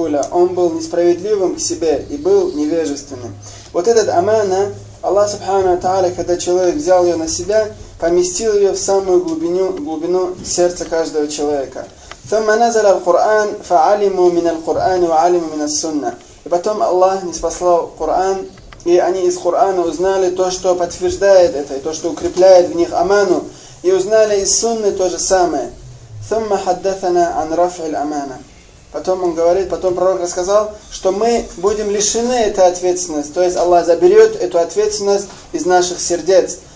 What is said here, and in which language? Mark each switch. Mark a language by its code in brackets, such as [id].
[ru] Он был несправедливым к себе и был невежественным. Вот этот амана, Аллах Субхану Ва Тааля, когда человек взял ее на себя, поместил ее в самую глубину сердца каждого человека. [ar] ثم نزل القرآن فعلموا من القرآن وعلموا من السنة. [ru] И потом Аллах ниспослал Коран, и они из Корана узнали то, что подтверждает это, и то, что укрепляет в них аману, и узнали из Сунны то же самое. [ar] ثم حدثنا عن رفع الأمانة. [ru] Потом он говорит, потом Пророк рассказал, что мы будем лишены этой ответственности, то есть Аллах заберет эту ответственность из наших сердец.